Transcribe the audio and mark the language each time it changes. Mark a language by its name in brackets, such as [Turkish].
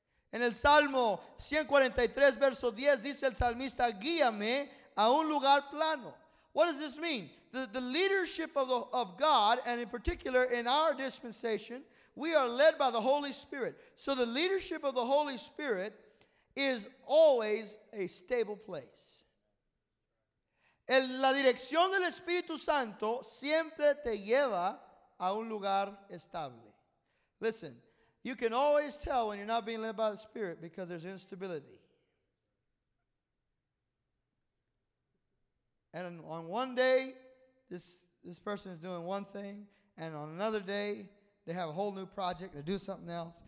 [Spanish] En el Salmo 143, verso 10, dice el salmista, guíame a un lugar plano. [English] What does this mean? The leadership of God, and in particular in our dispensation, we are led by the Holy Spirit. So the leadership of the Holy Spirit is always a stable place. [Spanish] La dirección del Espíritu Santo siempre te lleva a un lugar estable. [English] Listen. You can always tell when you're not being led by the Spirit because there's instability. And on one day, this person is doing one thing, and on another day, they have a whole new project. They do something else.